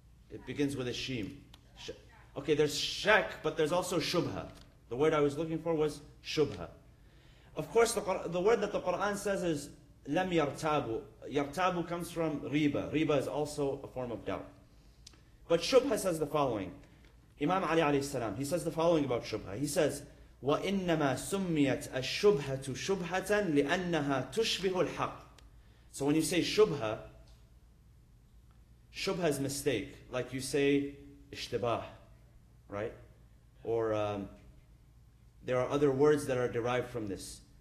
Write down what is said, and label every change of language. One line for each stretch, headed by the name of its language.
English: It begins with a sheem. Okay, there's shak, but there's also shubha. The word I was looking for was shubha. Of course, the word that the Quran says is lam yartabu. Yartabu comes from riba. Riba is also a form of doubt. But shubha says the following. Imam Ali alayhi salam, he says the following about shubha. He says,
Arabic: وَإِنَّمَا سُمِّيَتْ أَشُبْهَةُ شُبْهَةً لِأَنَّهَا تُشْبِهُ الْحَقِّ.
English: So when you say shubha, shubha is mistake. Like you say ishtibah, right? Or there are other words that are derived from this.